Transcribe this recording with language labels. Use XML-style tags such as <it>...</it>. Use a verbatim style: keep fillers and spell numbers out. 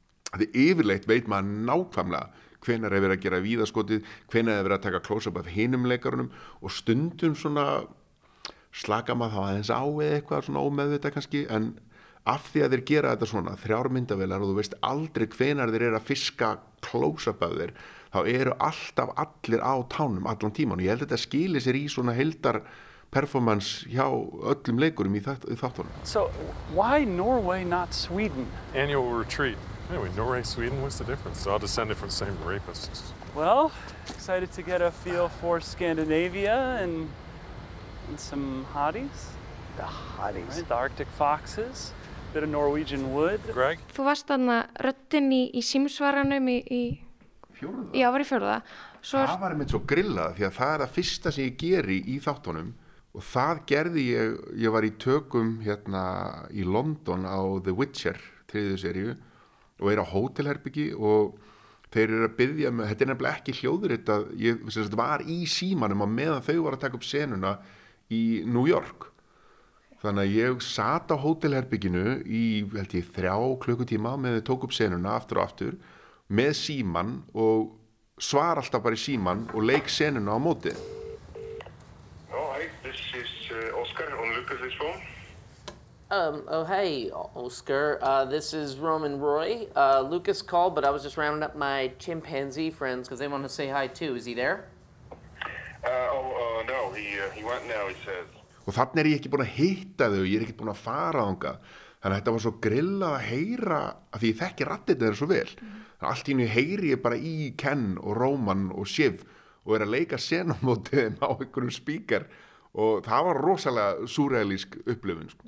<is>Því yfirleitt veit maður nákvæmlega hvenar er verið að gera víðaskotið, hvenar er verið að taka close-up af hinum leikarunum og stundum svona slaka maður þá aðeins á eða eitthvað svona ómeðvitað kannski, en af því að þeir gera þetta svona, þrjár myndavélar og þú veist aldrei hvenar þeir eru að fiska close-up af þeir, þá eru alltaf allir á tánum allan tíman og ég held að þetta skili sér í svona heildar performance hjá öllum leikurum í þáttunum.</is> <en>So why Norway not Sweden? Annual retreat. Anyway, Norway, Sweden, what's the difference? They're all descended from the same rapists. Well, excited to get a feel for Scandinavia and, and some hotties. The hotties. Right, the Arctic foxes. Bit of Norwegian wood. Greg?</en> <is>Þú varst þarna röddinn í, í símsvaranum í... í... Fjórða? Já, var í fjórða. Svo... Það var einmitt svo grillað því að það er það fyrsta sem ég geri í þáttunum og það gerði ég, ég var í tökum hérna í London á The Witcher, þriðju seríu og er á hótelherbyggi og þeir eru að byggja með, þetta er nefnilega ekki hljóðuritt að ég sem sagt, var í símanum að meðan þau var að taka upp senuna í New York. Þannig að ég sat á hótelherbygginu í held ég þrjá klukkutíma með þau tók upp senuna aftur og aftur með síman og svara alltaf bara í síman og leik senuna á móti.</is> <en>Oh, hi, this is uh, Oscar on Lucas's phone. Um, oh, hey, Oscar. Uh, this is Roman Roy. Uh, Lucas called, but I was just rounding up my chimpanzee friends because they want to say hi too. Is he there? Uh, oh, uh, no, he, uh, he went now, he says.</en> <is>Og þannig er ég ekki búin að hitta þau, ég er ekki búin að fara þangað. Þannig að þetta var svo grillað að heyra, af því ég þekki raddirnar þeirra svo vel. Mm. Allt í einu heyri ég bara í Ken og Roman og Shiv og er að leika senumótiðin á einhverjum spíkar og það var rosalega súrrealísk upplifun, sko.</is>